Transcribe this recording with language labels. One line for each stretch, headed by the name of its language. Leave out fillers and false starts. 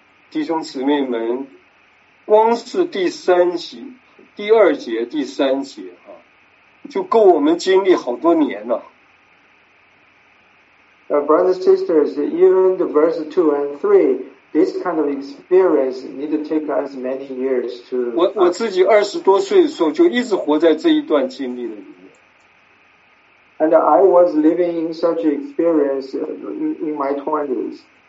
Chinese: 弟兄姊妹们，光是第三节、第二节、第三节就够我们经历好多年了。
English: Brothers, sisters, even the verse 2 and 3, this kind of experience need to take us many years to...
Chinese: 我自己二十多岁的时候就一直活在这一段经历的里面。
English: And I was living in such experience in my 20s.